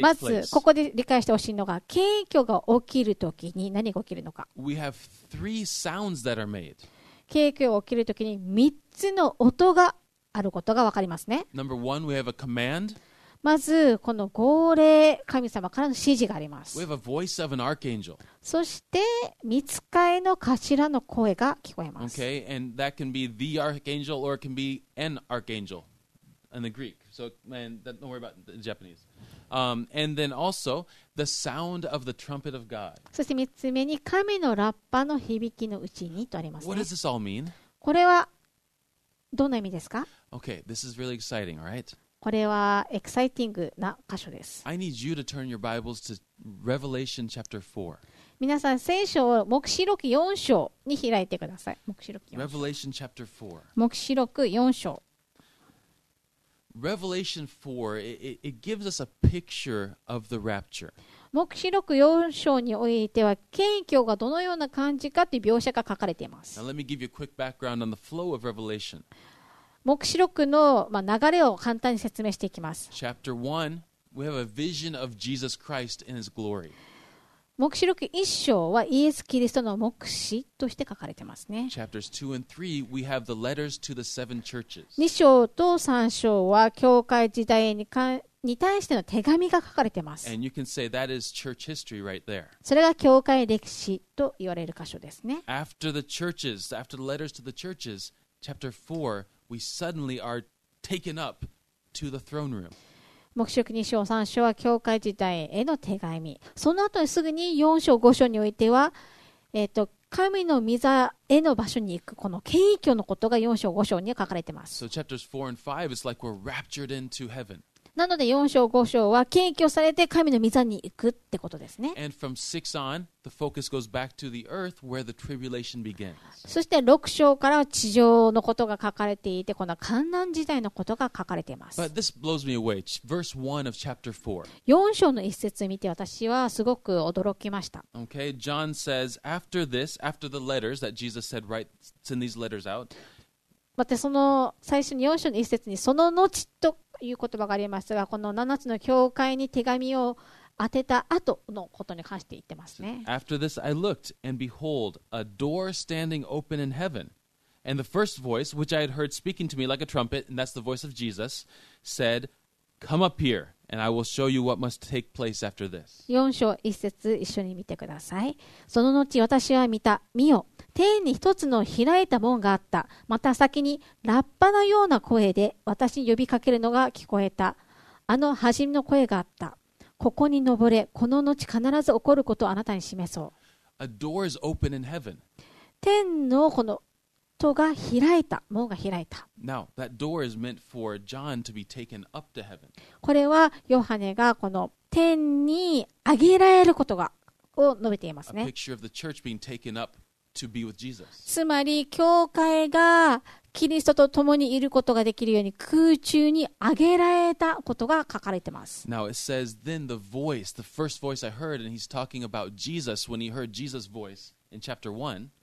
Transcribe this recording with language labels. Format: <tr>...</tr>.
<ja>まずここで理解してほしいのが、謙虚が起きるときに何が起きるのか。</ja> <en>We have three sounds that are made.</en> <ja>謙虚が起きるときに3つの音があることが分かりますね。</ja> <en>Number one, we have a command.</en> <ja>まずこの号令、神様からの指示があります。</ja> <en>We have a voice of an archangel.</en> <ja>そして御使いの頭の声が聞こえます。</ja> <en>Okay, and that can be the archangel or it can be an archangel in the Greek. So, man, don't worry about the Japanese. And then also the sound of the trumpet of God.</en> <ja>そして三つ目に神のラッパの響きのうちにとありますね。</ja> <en>What does this all mean?</en> <ja>これはどんな意味ですか?</ja> <en>Okay, this is really exciting, all right?</en> <ja>これはエキサイティングな箇所です。</ja> <en>I need you to turn your Bibles to Revelation chapter 4.</en> <ja>皆さん、聖書を黙示録4章に開いてください。黙示録4章。</ja> <en>Revelation chapter 4.</en> <ja>黙示録4章。</ja> <en>Revelation 4, it gives us a picture of the rapture.</en> <ja>黙示録4章においては、謙虚がどのような感じかという描写が書かれています。</ja> <en>Now let me give you a quick background on the flow of Revelation.</en> <ja>黙示録の流れを簡単に説明していきます。</ja> <en>Chapter 1, we have a vision of Jesus Christ in his glory.</en> <ja>黙示録一章はイエス・キリストの黙示として書かれてますね。</ja> <en>Chapters 2 and 3, we have the letters to the seven churches.</en> <ja>2章と3章は教会時代 に対しての手紙が書かれてます。</ja> <en>And you can say that is church history right there.</en> <ja>それが教会歴史と言われる箇所ですね。</ja> <en>After the churches, after the letters to the churches, chapter 4, we suddenly are taken up to the throne room.</en> <ja>黙示録2章3章は教会時代への手紙、その後にすぐに4章5章においては、神の御座への場所に行くこの謙虚のことが4章5章に書かれています。</ja> <en>So chapters 4 and 5 is like we're raptured into heaven.</en> <ja>なので4章5章は謙虚されて神の御座に行くってことですね。</ja> <en>And from 6 on, the focus goes back to the earth where the tribulation begins.</en> <ja>そして6章からは地上のことが書かれていて、この観覧時代のことが書かれています。</ja> <en>But this blows me away. Verse 1 of chapter 4.</en> <ja>4章の一節を見て私はすごく驚きました。</ja> <en>Okay, John says, after this, after the letters that Jesus said, write, send these letters out.</en> <ja>またその最初に4章の一節にその後という言葉がありますが、この7つの教会に手紙を当てた後のことに関して言ってますね。</ja> <en>After this I looked, and behold, a door standing open in heaven. And the first voice, which I had heard speaking to me like a trumpet, and that's the voice of Jesus, said, Come up here, And I will show you what must take place after this.</en> <ja>4章1節一緒に見てください。その後私は見た、見よ、天に一つの開いた門があった。また先にラッパのような声で私に呼びかけるのが聞こえた。あの初めの声があった。ここに登れ、この後必ず起こることをあなたに示そう。</ja> <en>A door is open in heaven.</en> <ja>天のこの戸が開いた、門が開いた。</ja> <en>Now, that door is meant for John to be taken up to heaven.</en> <ja>これはヨハネがこの天に上げられることがを述べていますね。</ja> <en>A picture of the church being taken up to be with Jesus.</en> <ja>つまり教会がキリストと共にいることができるように空中に上げられたことが書かれています。</ja> <en>Now it says, then the voice, the first voice I heard, and he's talking about Jesus when he heard Jesus' voice in chapter 1.</en>